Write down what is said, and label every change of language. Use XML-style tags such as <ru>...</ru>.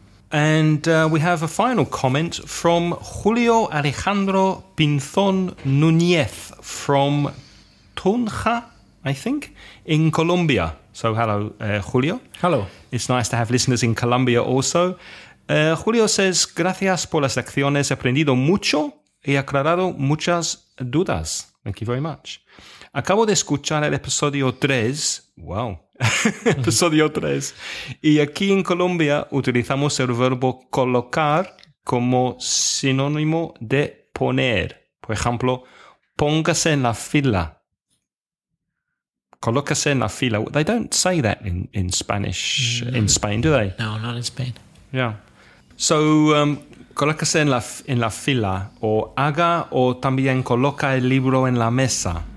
<en>And we have a final comment from Julio Alejandro Pinzón Núñez from Tunja, I think, in Colombia. So hello, Julio. Hello. It's nice to have listeners in Colombia also. Julio says,</en> <es>gracias por las lecciones, he aprendido mucho y aclarado muchas dudas.</es> <en>Thank you very much.</en> <es>Acabo de escuchar el episodio 3. Wow. Episodio 3. Y aquí en Colombia utilizamos el verbo colocar como sinónimo de poner. Por ejemplo, póngase en la fila. Colócase en la fila.</es> <en>They don't say that in Spanish, in Spain, do they? No, not in Spain. Yeah. So,</en> <es>colócase en la fila. O haga o también coloca el libro en la mesa.</es>